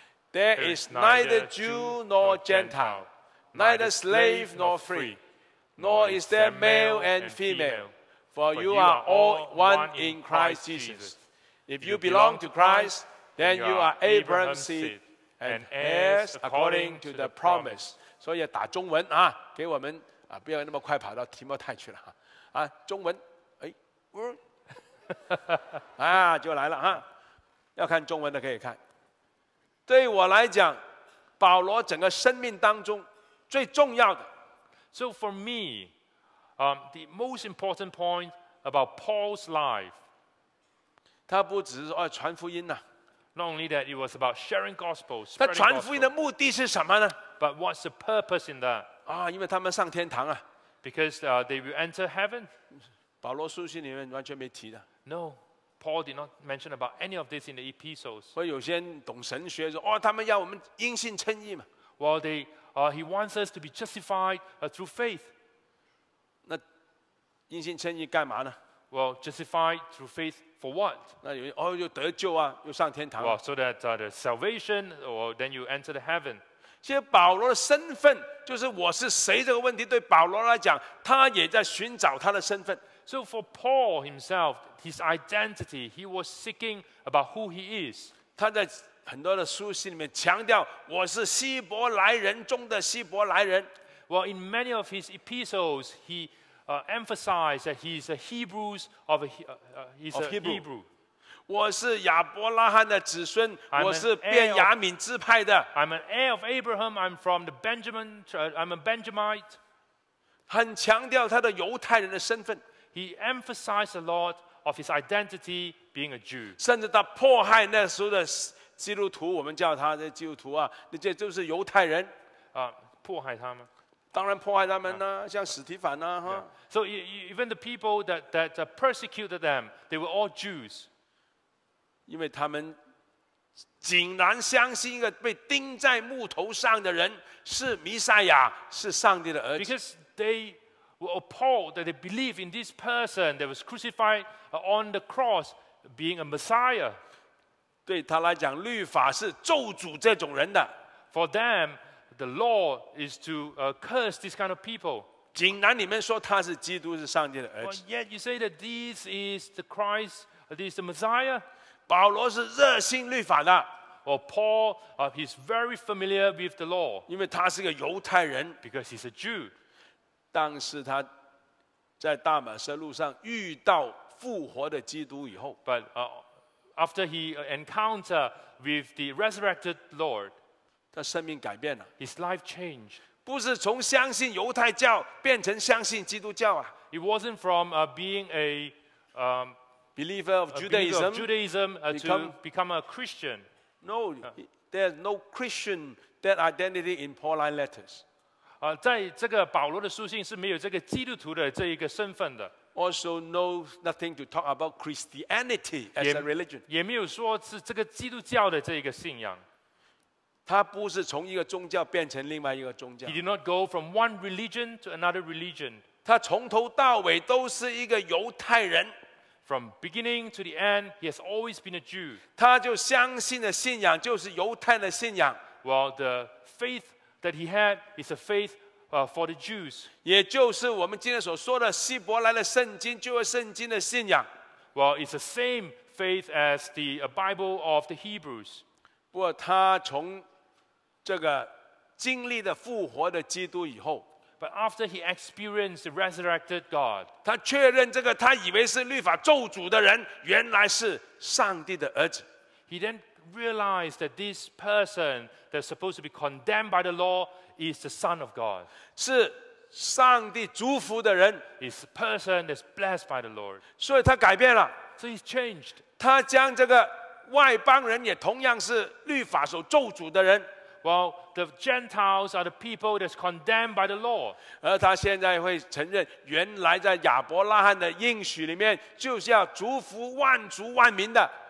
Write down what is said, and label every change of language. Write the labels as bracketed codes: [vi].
[en] There is neither Jew nor Gentile, neither slave nor free, nor is there male and female, for you are all one in Christ Jesus. If you belong to Christ, then you are Abraham's seed. And heirs according to the promise. [zh] 所以打中文啊，给我们啊，不要那么快跑到提摩太去了啊。中文，哎，啊，就来了啊。要看中文的可以看。对我来讲，保罗整个生命当中最重要的。 [en] So for me, the most important point about Paul's life. [zh] 他不只是说传福音呐。 [en] Not only that, it was about sharing gospel. [zh] 他传福音的目的是什么呢 [en] ？But what's the purpose in that? [zh] 啊，因为他们上天堂啊。 [en] Because they will enter heaven. [zh] 保罗书信里面完全没提的。 [en] No, Paul did not mention about any of this in the epistles. [zh] 所以有些人懂神学说，哦，他们要我们因信称义嘛。 [en] Well, they, he wants us to be justified through faith. [zh] 那因信称义干嘛呢？ [en] Well, justified through faith for what? [zh] 那有哦，又得救啊，又上天堂。 [en] Well, so that the salvation, or then you enter the heaven. [zh] 其实保罗的身份就是我是谁这个问题，对保罗来讲，他也在寻找他的身份。 [en] So for Paul himself, his identity, he was seeking about who he is. 他在很多的书信里面强调，我是希伯来人中的希伯来人。 Well, in many of his epistles, he emphasize that he's a Hebrews of a he's of a Hebrew. Hebrew. [zh] 我是亚伯拉罕的子孙，我是便雅悯支派的。 [en] I'm an heir of Abraham. I'm from the Benjamin. I'm a Benjamite. [zh] 很强调他的犹太人的身份。 [en] He emphasized a lot of his identity being a Jew. [zh] 甚至他迫害那时候的基督徒，我们叫他的基督徒啊，那些就是犹太人啊，迫害他吗？当然迫害他们呢、啊，像史提凡呢、啊，哈、yeah. huh?。 [en] So even the people that persecuted them, they were all Jews. [zh] 因为他们竟然相信一个被钉在木头上的人是弥赛亚，是上帝的儿子。 [en] Because they were appalled that they believed in this person that was crucified on the cross being a Messiah. [zh] 对他来讲，律法是咒诅这种人的。 [en] For them. The law is to curse this kind of people. [zh] 竟然你们说他是基督，是上帝的儿子。 [en] But yet you say that this is the Christ, this is the Messiah. [zh] 保罗是热心律法的。 [en] Well, Paul, he's very familiar with the law. [zh] 因为他是个犹太人。 [en] Because he's a Jew. [zh] 但是他在大马色路上遇到复活的基督以后。 [en] But after he encountered with the resurrected Lord. [zh] 他生命改变了。 [en] His life changed. [zh] 不是从相信犹太教变成相信基督教啊。 [en] It wasn't from being a believer of Judaism, to become a Christian. No, there's no Christian that identity in Pauline letters. [zh] 在这个保罗的书信是没有这个基督徒的这一个身份的。 [en] Also knows nothing to talk about Christianity as a religion. [zh] 也没有说是这个基督教的这一个信仰。他不是从一个宗教变成另外一个宗教。 [en] He did not go from one religion to another religion. [zh] 他从头到尾都是一个犹太人。 [en] From beginning to the end, he has always been a Jew. [zh] 他就相信的信仰就是犹太的信仰。 [en] Well, the faith that he had is a faith for the Jews. [zh] 也就是我们今天所说的希伯来的圣经，旧约圣经的信仰。 [en] Well, it's the same faith as the Bible of the Hebrews. [zh] 不过他从这个经历的复活的基督以后。 [en] But after he experienced the resurrected God, [zh] 他确认这个他以为是律法咒诅的人，原来是上帝的儿子。 [en] He then realized that this person that's supposed to be condemned by the law is the Son of God. [zh] 是上帝祝福的人。 [en] Is a person that's blessed by the Lord. [zh] 所以他改变了。 [en] So he's changed. [zh] 他将这个外邦人也同样是律法所咒诅的人。 [en] Well, the Gentiles are the people that's condemned by the law. [zh] 而他现在会承认，原来在亚伯拉罕的应许里面，就是要祝福万族万民的。